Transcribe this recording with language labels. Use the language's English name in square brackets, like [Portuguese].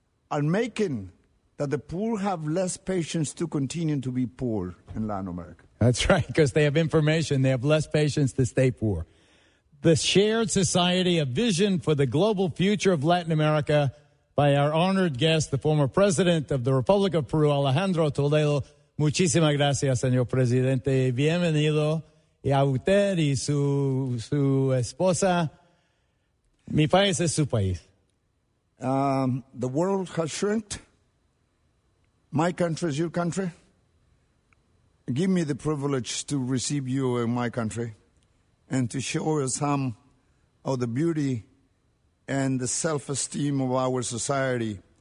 [English] are making that the poor have less patience to continue to be poor in Latin America. That's right, because they have information. They have less patience to stay poor. The Shared Society, a vision for the global future of Latin America by our honored guest, the former president of the Republic of Peru, Alejandro Toledo. [Spanish] Muchísimas gracias, señor presidente. Bienvenido. Y a usted y su esposa, mi país es su país. [English] The world has shrunk. My country is your country. Give me the privilege to receive you in my country and to show you some of the beauty and the self-esteem of our society.